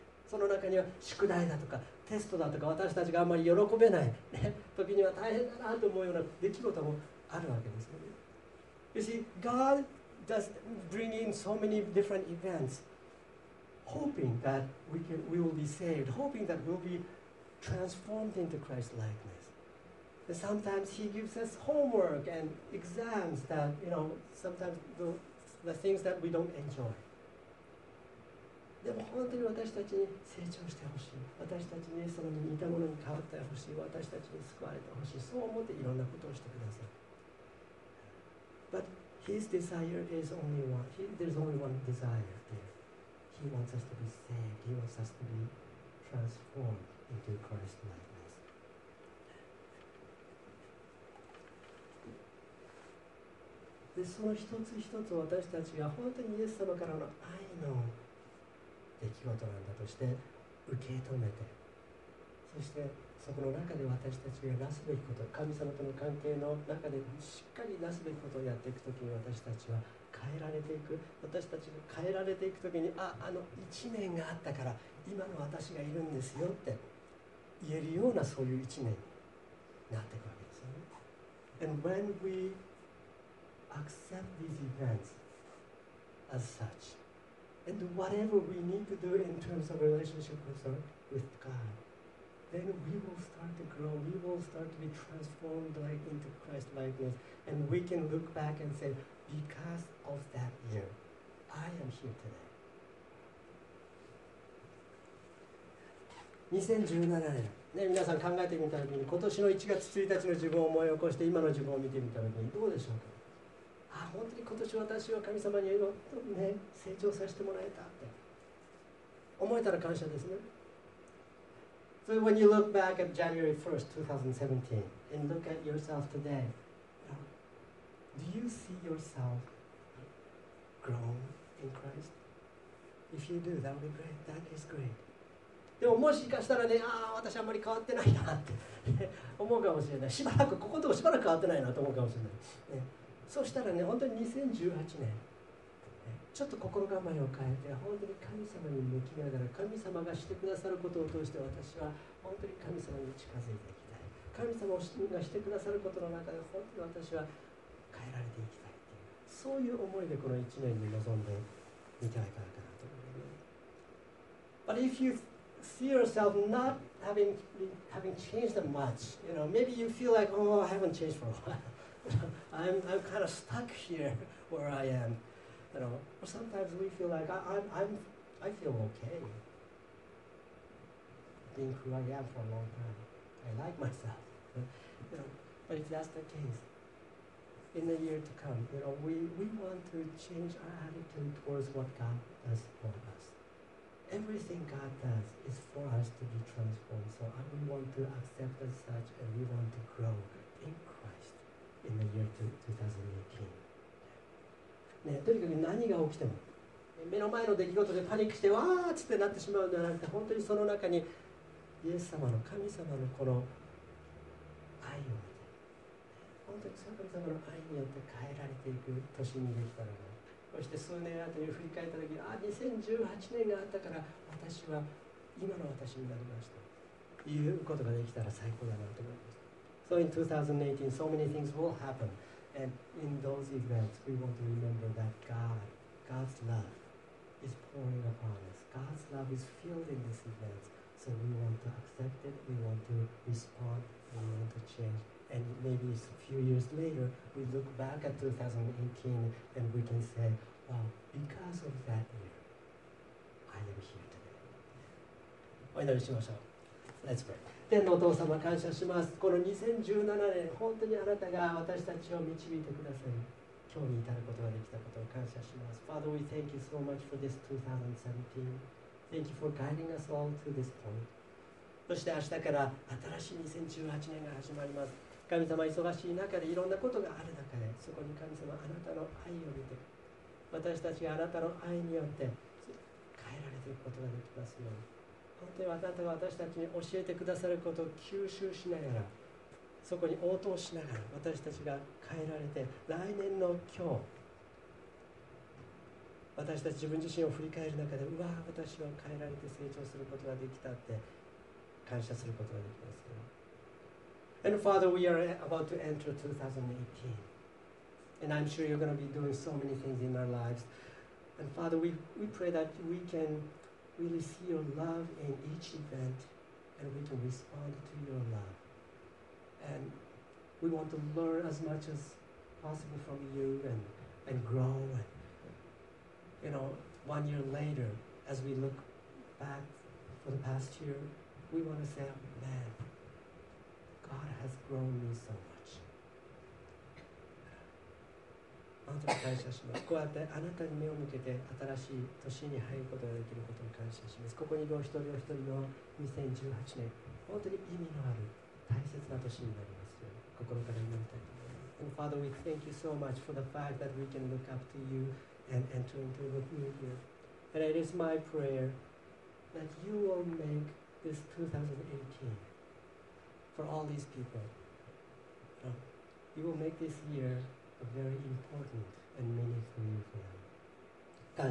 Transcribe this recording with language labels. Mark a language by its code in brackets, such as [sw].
[ja] その中には宿題だとかテストだとか私たちがあんまり喜べない、ね、時には大変だなと思うような出来事もあるわけですよね。 [en] You see, God does bring in so many different events, hoping that we will be saved, hoping that we'll be transformed into Christ's likeness. Sometimes he gives us homework and exams that, you know, sometimes the things that we don't enjoy. [ja] でも本当に私たちに成長してほしい。私たちにその似たものに変わってほしい。私たちに救われてほしい。そう思っていろんなことをしてください。 [en] But his desire is only one. There's only one desire there. He wants us to be saved. He wants us to be transformed into Christ's life. [ja] でその一つ一つ私たちが本当にイエス様からの愛の出来事なんだとして受け止めて、そしてそこの中で私たちがなすべきこと、神様との関係の中でしっかりなすべきことをやっていくときに私たちは変えられていく。私たちが変えられていくときに、あの一年があったから今の私がいるんですよって言えるような、そういう一年になっていくわけですよね。 [en] And when weAccept these events as such, and whatever we need to do in terms of relationship with God, then we will start to grow. We will start to be transformed like into Christ's likeness, and we can look back and say, because of that year, I am here today. [ja] 2017年、ね、皆さん考えてみたときに、今年の1月1日の自分を思い起こして今の自分を見てみたときにどうでしょうか。あ、本当に今年私は神様に、ね、成長させてもらえたって思えたら感謝ですね。 [en] So when you look back at January 1st, 2017 and look at yourself today, do you see yourself grown in Christ? If you do, that would be great. That is great. [ja] でももしかしたらね、ああ私あんまり変わってないなって思うかもしれない。しばらくこことしばらく変わってないなと思うかもしれない、ね、そしたらね、本当に2018年ちょっと心構えを変えて、本当に神様に向きながら、神様がしてくださることを通して私は本当に神様に近づいていきたい、神様がしてくださることの中で本当に私は変えられていきたいっていう、そういう思いでこの1年に臨んでみてはいかがかなと思います。 [en] But if you see yourself not having changed that much, you know, maybe you feel like, oh, I haven't changed for a while. I'm kind of stuck here where I am. You know, sometimes we feel like I feel okay being who I am for a long time. I like myself. You know, but if that's the case, in the year to come, you know, we want to change our attitude towards what God does for us. Everything God does is for us to be transformed. So we want to accept as such, and we want to grow in Christ in the year 2018. [ja] ね、とにかく何が起きても目の前の出来事でパニックしてわーっつってなってしまうんではなくて、本当にその中にイエス様の、神様のこの愛を見て、本当にその神様の愛によって変えられていく年にできたのが、そして数年後に振り返った時に、あ、2018年があったから私は今の私になりましたということができたら最高だなと思います。 [en] So in 2018 so many things will happenAnd in those events, we want to remember that God's love is pouring upon us. God's love is filled in these events. So we want to accept it, we want to respond, we want to change. And maybe it's a few years later, we look back at 2018 and we can say, well, because of that year, I am here today. [ja] お祈りしましょう。 [en] Let's pray. [ja] 天のお父様、感謝します。この2017年、本当にあなたが私たちを導いてくださり、今日に至ることができたことを感謝します。 [en] Father, we thank you so much for this 2017. Thank you for guiding us all to this point. [ja] そして明日から新しい2018年が始まります。神様、忙しい中でいろんなことがある中で、そこに神様、あなたの愛を見て、私たちがあなたの愛によって変えられていくことができますように、本当にあなたが私たちに教えてくださることを吸収しながら、そこに応答しながら、私たちが変えられて、来年の今日、私たち自分自身を振り返る中で、うわー、私は変えられて成長することができたって感謝することができますよ。 [en] And Father, we are about to enter 2018. And I'm sure you're going to be doing so many things in our lives. And Father, we pray that we canReally see your love in each event, and we can respond to your love. And we want to learn as much as possible from you and grow. And, you know, 1 year later, as we look back for the past year, we want to say, man, God has grown me so much. [ja] こうやってあなたに目を向けて新しい年に入ることができることに感謝します。ここにいるお一人お一人の2018年、本当に意味のある大切な年になりますように心から祈りたいと思います。 [en] Father, we thank you so much for the fact that we can look up to you and enter into the new year. And it is my prayer that you will make this 2018 for all these people. You will make this yearA very important and meaningful year for them.